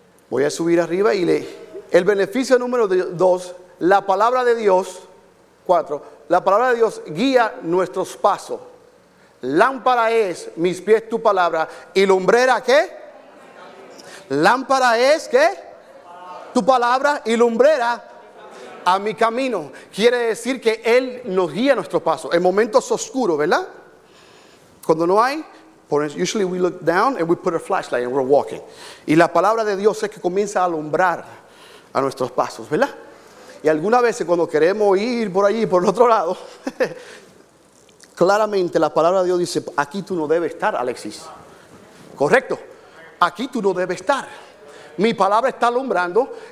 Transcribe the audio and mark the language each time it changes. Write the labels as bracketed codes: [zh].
[es] Voy a subir arriba y leer. El beneficio número 2, la palabra de Dios, 4, la palabra de Dios guía nuestros pasos. Lámpara es mis pies tu palabra y lumbrera ¿qué? Lámpara es ¿qué? Tu palabra y lumbrera a mi camino. Quiere decir que Él nos guía nuestros pasos. En momentos oscuros, ¿verdad? Cuando no hay, [en] usually we look down and we put a flashlight and we're walking. [es] Y la palabra de Dios es que comienza a alumbrar a nuestros pasos, ¿verdad? Y algunas veces cuando queremos ir por allí, por el otro lado, claramente la palabra de Dios dice, aquí tú no debes estar, Alexis. Correcto. Aquí tú no debes estar. Mi palabra está alumbrando.